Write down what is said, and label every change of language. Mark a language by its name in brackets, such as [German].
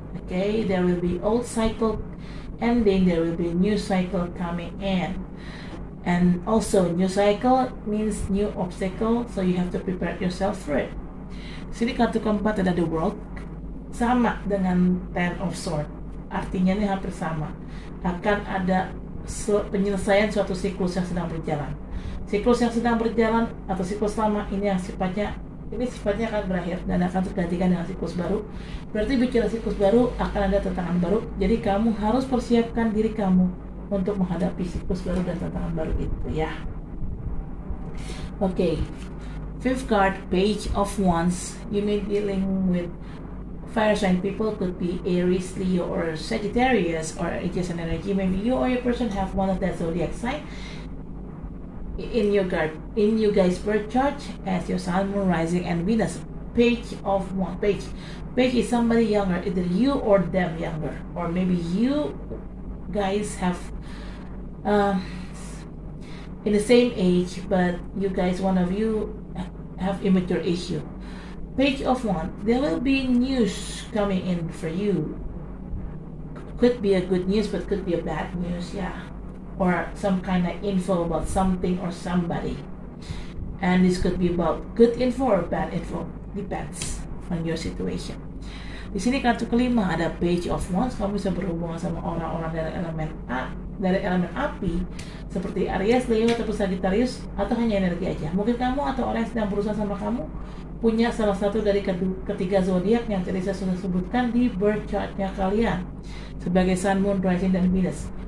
[English] Okay, there will be old cycle ending, there will be new cycle coming in. And also, new cycle means new obstacle, so you have to prepare yourself for it. [Indonesian] Sini kartu keempat ada The World, sama dengan Ten of Swords. Artinya ini hampir sama. Akan ada penyelesaian suatu siklus yang sedang berjalan. Siklus yang sedang berjalan atau siklus lama ini yang sifatnya akan berakhir dan akan tergantikan dengan siklus baru. Berarti bicara siklus baru akan ada tantangan baru. Jadi kamu harus persiapkan diri kamu untuk menghadapi siklus baru dan tantangan baru itu ya. [English] Okay, fifth card, Page of Wands. You may be dealing with fire sign people, could be Aries, Leo, or Sagittarius, or adjacent energy. Maybe you or your person have one of that zodiac sign in your guard, in your guys' birth chart as your Sun, Moon, Rising, and Venus. Page of Wands. Page is somebody younger, either you or them younger, or maybe you guys have in the same age, but you guys, one of you have immature issue. Page of Wands, there will be news coming in for you. Could be a good news, but could be a bad news, yeah. Or some kind of info about something or somebody. And this could be about good info or bad info. Depends on your situation. [Indonesian] Di sini kartu kelima ada Page of Wands. Kamu bisa berhubungan sama orang-orang dari elemen api seperti Aries, Leo, atau Sagittarius, atau hanya energi aja. Mungkin kamu atau orang yang sedang berusaha sama kamu punya salah satu dari ketiga zodiak yang tadi saya sudah sebutkan di birth chart-nya kalian sebagai Sun, Moon, Rising, dan Venus.